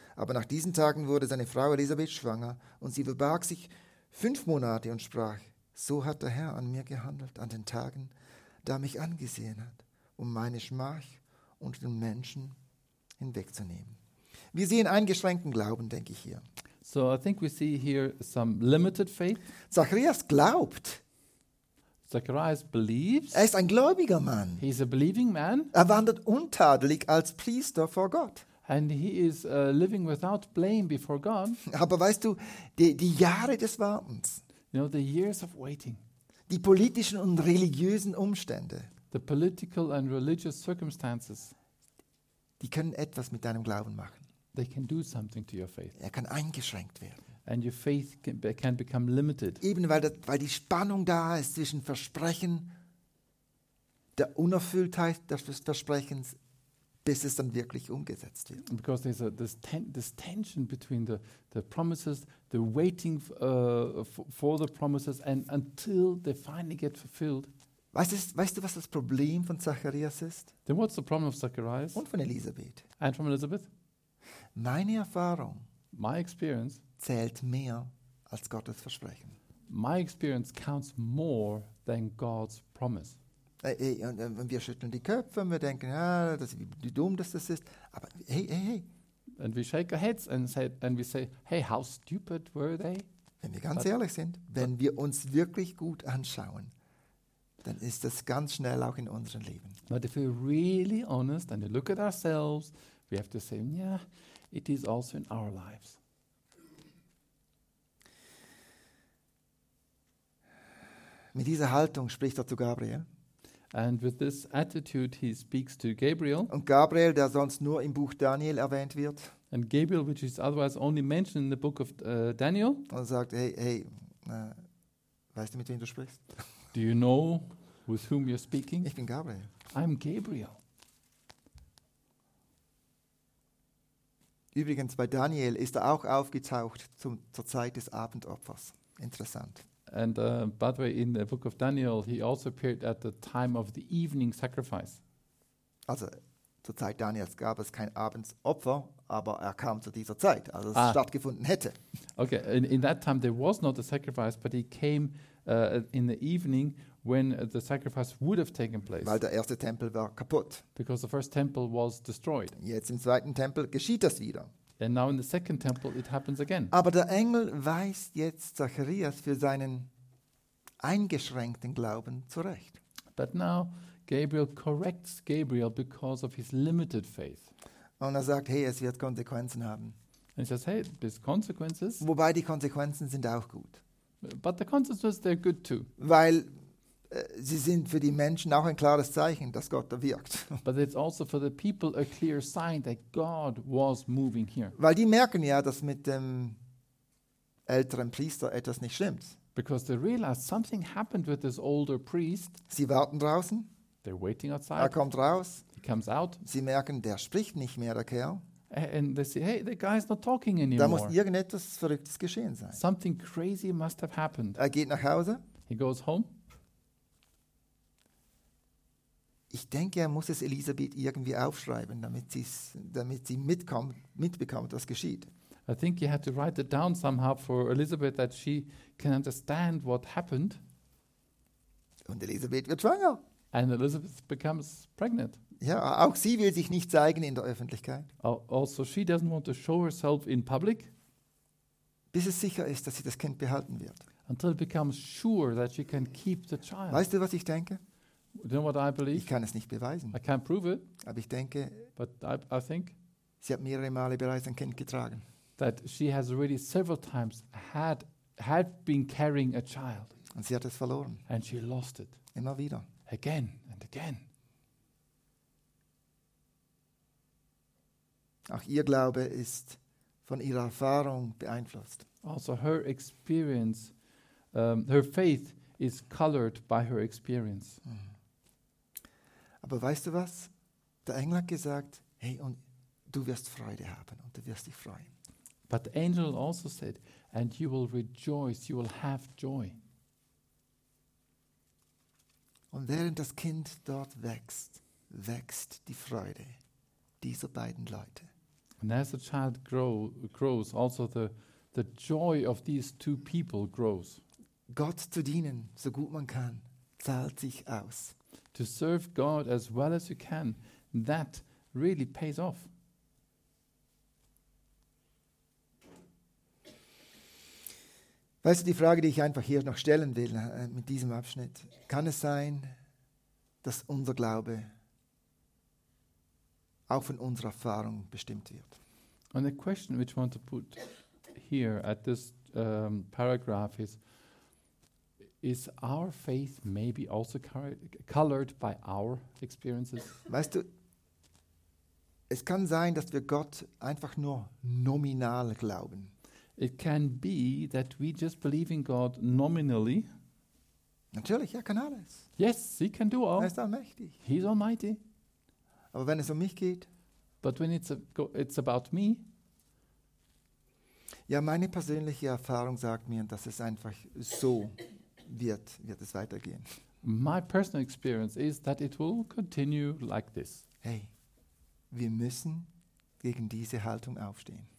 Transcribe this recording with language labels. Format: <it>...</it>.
<de>Aber nach diesen Tagen wurde seine Frau Elisabeth schwanger und sie verbarg sich 5 Monate und sprach, so hat der Herr an mir gehandelt an den Tagen, da er mich angesehen hat, um meine Schmach unter den Menschen hinwegzunehmen. Wir sehen eingeschränkten Glauben, denke ich hier.</de> <en>So I think we see here some limited faith.</en> <de>Zacharias glaubt.</de> <en>Zacharias believes.</en> <de>Er ist ein gläubiger Mann.</de> <en>He is a believing man.</en> <de>Er wandert untadelig als Priester vor Gott.</de> <en>And he is living without blame before God.</en> <de>Aber weißt du, die Jahre des Wartens.</de> <en>You know, the years of waiting.</en> <de>Die politischen und religiösen Umstände.</de> <en>The political and religious circumstances.</en> <de>Die können etwas mit deinem Glauben machen.</de> <en>They can do something to your faith.</en> <de>Er kann eingeschränkt werden.</de> <en>And your faith can become limited.</en> <de>Eben weil die Spannung da ist zwischen Versprechen, der Unerfülltheit des Versprechens, bis es dann wirklich umgesetzt wird.</de> <en>Because there's this tension between the promises, the waiting for the promises, and until they finally get fulfilled.</en> <de>Weißt du, was das Problem von Zacharias ist?</de> <en>Then what's the problem of Zacharias?</en> <de>Und von Elisabeth.</de> <en>And from Elizabeth?</en> <de>Meine Erfahrung,</de> <en>my experience,</en> <de>zählt mehr als Gottes Versprechen.</de> <en>My experience counts more than God's promise.</en> <de>Und wir schütteln die Köpfe und wir denken, ja, das ist wie dumm, dass das ist. Aber hey.</de> <en>And we shake our heads and we say, hey, how stupid were they?</en> <de>Wenn wir ganz ehrlich sind, wenn wir uns wirklich gut anschauen, dann ist das ganz schnell auch in unserem Leben.</de> <en>But if we're really honest and we look at ourselves, we have to say, yeah, it is also in our lives.</en> <de>Mit dieser Haltung spricht er zu Gabriel.</de> <en>And with this attitude he speaks to Gabriel.</en> <de>Und Gabriel, der sonst nur im Buch Daniel erwähnt wird.</de> <en>And Gabriel, which is otherwise only mentioned in the book of Daniel.</en> <de>Und sagt, hey, weißt du, mit wem du sprichst?</de> <en>Do you know with whom you're speaking?</en> <de>Ich bin Gabriel.</de> <en>I'm Gabriel.</en> <de>Übrigens, bei Daniel ist er auch aufgetaucht zur Zeit des Abendopfers. Interessant.</de> <en>And by the way, in the book of Daniel, he also appeared at the time of the evening sacrifice.</en> <de>Also, zur Zeit Daniels gab es kein Abendsopfer, aber er kam zu dieser Zeit, als es stattgefunden hätte.</de> <en>Okay, in that time there was not a sacrifice, but he came in the evening when the sacrifice would have taken place.</en> <de>Weil der erste Tempel war kaputt.</de> <en>Because the first temple was destroyed.</en> <de>Jetzt im zweiten Tempel geschieht das wieder.</de> <en>And now in the second temple it happens again.</en> <de>Aber der Engel weist jetzt Zacharias für seinen eingeschränkten Glauben zurecht.</de> <en>But now Gabriel corrects Gabriel because of his limited faith.</en> <de>Und er sagt, hey, es wird Konsequenzen haben.</de> <en>And he says, hey, there's consequences.</en> <de>Wobei die Konsequenzen sind auch gut.</de> <en>But the consequences, they're good too.</en> <de>Weil sie sind für die Menschen auch ein klares Zeichen, dass Gott da wirkt.</de> <en>But it's also for the people a clear sign that God was moving here.</en> <de>Weil die merken ja, dass mit dem älteren Priester etwas nicht stimmt.</de> <en>Because they realize something happened with this older priest.</en> <de>Sie warten draußen.</de> <en>They're waiting outside.</en> <de>Er kommt raus.</de> <en>He comes out.</en> <de>Sie merken, der spricht nicht mehr, der Kerl.</de> <en>And they say, hey, the guy's not talking anymore.</en> <de>Da muss irgendetwas Verrücktes geschehen sein.</de> <en>Something crazy must have happened.</en> <de>Er geht nach Hause.</de> <en>He goes home.</en> <de>Ich denke, er muss es Elisabeth irgendwie aufschreiben, damit sie mitbekommt, was geschieht.</de> <en>I think he had to write it down somehow for Elisabeth, that she can understand what happened.</en> <de>Und Elisabeth wird schwanger.</de> <en>And Elizabeth becomes pregnant.</en> <de>Ja, auch sie will sich nicht zeigen in der Öffentlichkeit.</de> <en>Also she doesn't want to show herself in public.</en> <de>Bis es sicher ist, dass sie das Kind behalten wird.</de> <en>Until it becomes sure that she can keep the child.</en> <de>Weißt du, was ich denke?</de> <en>You know what I believe?</en> <de>Ich kann es nicht beweisen.</de> <en>I can't prove it.</en> <de>Aber ich denke,</de> <en>but I think</en> <de>sie hat mehrere Male bereits ein Kind getragen.</de> <en>That she has already several times had been carrying a child.</en> <de>Und sie hat es verloren.</de> <en>And she lost it.</en> <de>Immer wieder.</de> <en>Again and again.</en> <de>Auch ihr Glaube ist von ihrer Erfahrung beeinflusst.</de> <en>Also her experience, her faith is colored by her experience. Mm.</en> <de>Aber weißt du was? Der Engel hat gesagt, hey, und du wirst Freude haben und du wirst dich freuen.</de> <en>But the angel also said, and you will rejoice, you will have joy.</en> <de>Und während das Kind dort wächst, wächst die Freude dieser beiden Leute.</de> <en>And as the child grows, also the joy of these two people grows.</en> <de>Gott zu dienen, so gut man kann, zahlt sich aus.</de> <en>To serve God as well as you can, that really pays off.</en> <de>Weißt du, die Frage, die ich einfach hier noch stellen will, mit diesem Abschnitt, kann es sein, dass unser Glaube auch von unserer Erfahrung bestimmt wird?</de> <en>And the question which I want to put here at this paragraph is, is our faith maybe also colored by our experiences?</en> <de>Weißt du, es kann sein, dass wir Gott einfach nur nominal glauben.</de> <en>It can be that we just believe in God nominally.</en> <de>Natürlich, er kann alles.</de> <en>Yes, he can do all.</en> <de>Er ist allmächtig.</de> <en>He's almighty.</en> <de>Aber wenn es um mich geht.</de> <en>But when it's about me.</en> <de>Ja, meine persönliche Erfahrung sagt mir, dass es einfach so wird es weitergehen.</de> <en>My personal experience is that it will continue like this.</en> <de>Hey, wir müssen gegen diese Haltung aufstehen.</de>